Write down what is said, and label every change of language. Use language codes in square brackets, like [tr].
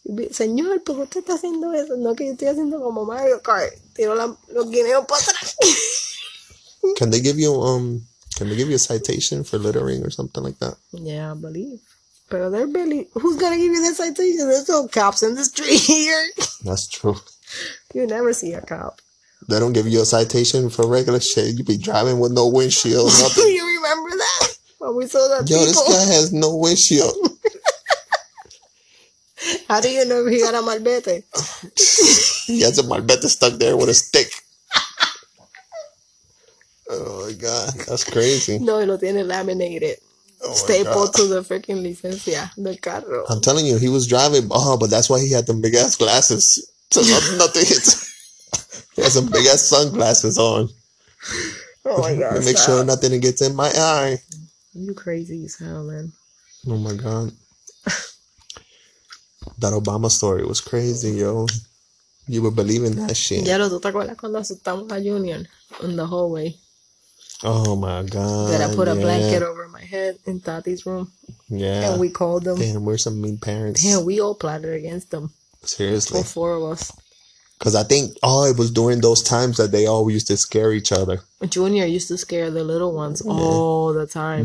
[es] Señor, ¿por qué usted está haciendo eso? No, que yo estoy haciendo como Mario Kart. Tiro los guineos para atrás. [en] Can they give you, can they give you a citation for littering or something like that? Yeah, I believe. But they're barely... Who's going to give you the citation? There's no cops in the street here. That's true. You never see a cop. They don't give you a citation for regular shit. You be driving with no windshield. Do you remember that? When we saw that Yo, people. This guy has no windshield. How do you know he got a malvete? He has a malvete stuck there with a stick. Oh my God, that's crazy. [es] No, lo tiene laminated. [en] Oh, staple to the freaking [es] licencia del carro. [en] I'm telling you, he was driving. Oh, but that's why he had them big ass glasses. So nothing. He has some big ass sunglasses on. Oh my God. Make stop. Sure nothing gets in my eye. You crazy as hell, man. Oh my God. That Obama story was crazy, yo. You would believe in that shit. [es] Ya lo tú te acuerdas cuando asustamos a Junior [en] in the hallway. Oh my God. That I put yeah. a blanket over my head in Tati's room. Yeah. And we called them. Damn, we're some mean parents. Damn, we all plotted against them. Seriously. All four of us. Because I think, it was during those times that they all used to scare each other. Junior used to scare the little ones yeah. all the time.